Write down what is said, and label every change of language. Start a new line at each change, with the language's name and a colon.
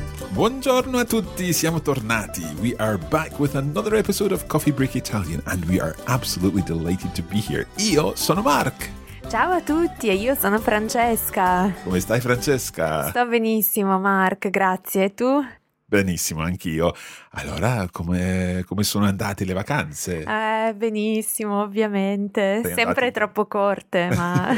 Italian: Buongiorno a tutti, siamo tornati.
English: We are back with another episode of Coffee Break Italian and we are absolutely delighted to be here.
Italian: Io sono Mark. Ciao a tutti e io sono Francesca. Come stai, Francesca? Sto benissimo, Mark, grazie. E tu? Benissimo, anch'io. Allora, come sono andate le vacanze? Benissimo, ovviamente. Sempre troppo corte, ma...